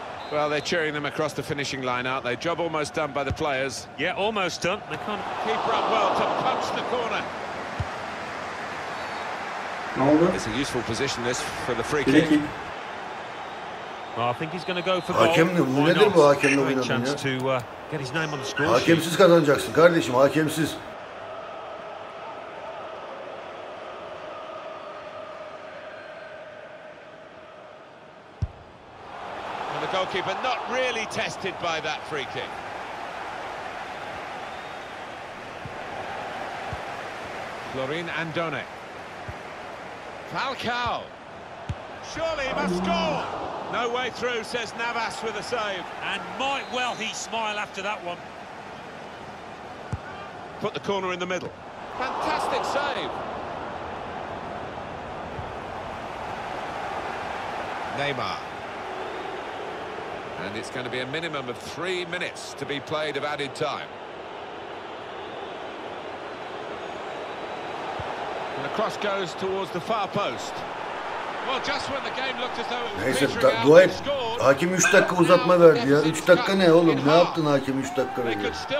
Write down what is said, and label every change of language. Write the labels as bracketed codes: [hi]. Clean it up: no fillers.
[en] Well, they're cheering them across the finishing line, aren't they? Job almost done by the players. Yeah, almost done. They can't keep up well to punch the corner. [tr] Ne oldu? [en] It's a useful position this for the free kick. Well, I think he's going to go for [tr] goal. Hakem ne? Bu nedir bu hakemle oynadın ya? [en] Get his name on the score. [tr] Hakemsiz kazanacaksın kardeşim, hakemsiz. [en] Goalkeeper not really tested by that free kick. Florin Andone. Falcao. Surely he must score. No way through, says Navas with a save. And might well he smile after that one. Put the corner in the middle. Fantastic save. Neymar. And it's going to be a minimum of 3 minutes to be played of added time. And the cross goes towards the far post. Well, just when the game looked as though it was petering out, they scored. [tr] Hakim 3 dakika uzatma verdi ya. 3 dakika ne oğlum? Ne yaptın hakim 3 dakika verdi?